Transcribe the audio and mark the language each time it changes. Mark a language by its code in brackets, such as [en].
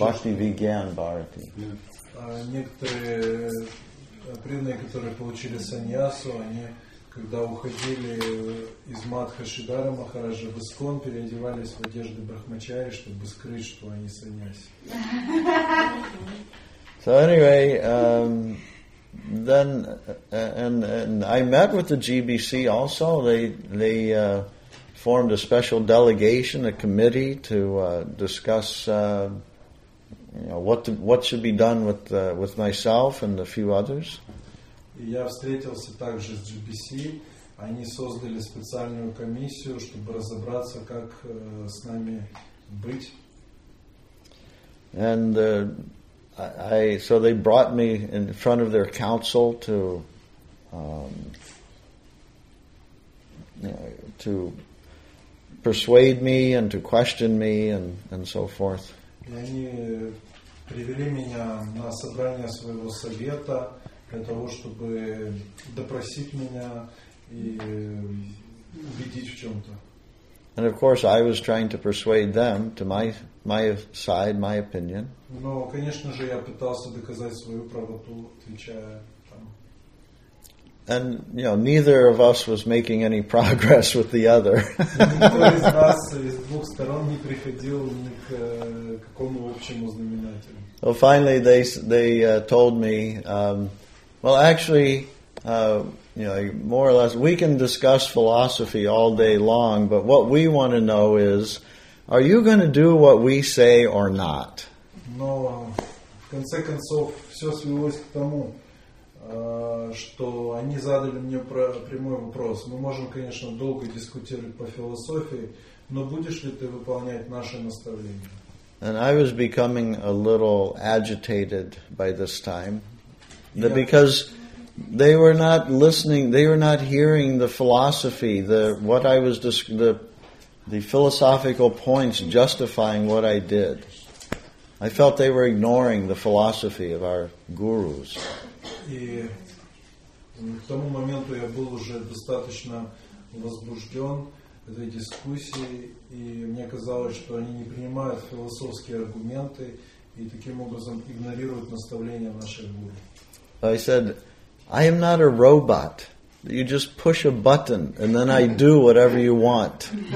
[en] Bhakti Vigyan Bharati. [ru] Некоторые преданные, которые получили саньясу, они когда уходили из Мадха Шридхара Махараджа в ИСККОН, переодевались в одежды брахмачари, чтобы скрыть, что они саньяси. [en] So anyway, then and I met with the GBC also. They formed a special delegation, a committee to discuss what should be done with myself and a few others. [ru] Я встретился также с GBC. Они создали специальную комиссию, чтобы разобраться, как с нами быть. [en] And so they brought me in front of their council to persuade me and to question me and so forth. [ru] И они привели меня на собрание своего совета для того, чтобы допросить меня и убедить в чем-то. [en] And of course, I was trying to persuade them to my side, my opinion. [ru] Но, конечно же, я пытался доказать свою правоту, отвечая там. [en] And neither of us was making any progress with the other. [ru] Никто из нас из двух сторон не приходил ни к какому общему знаменателю. [en] Well, finally, they told me. Well, actually, more or less, we can discuss philosophy all day long, but what we want to know is, are you going to do what we say or not? [ru] Но в конце концов все свелось к тому, что они задали мне прямой вопрос. Мы можем, конечно, долго дискутировать по философии, но будешь ли ты выполнять наши наставления? [en] And I was becoming a little agitated by this time. That because they were not listening, they were not hearing the philosophy, the philosophical points justifying what I did. I felt they were ignoring the philosophy of our gurus. [ru] И к тому моменту я был уже достаточно возбужден этой дискуссией, и мне казалось, что они не принимают философские аргументы и таким образом игнорируют наставления наших гуру. [en] I said, I am not a robot. You just push a button and then I do whatever you want.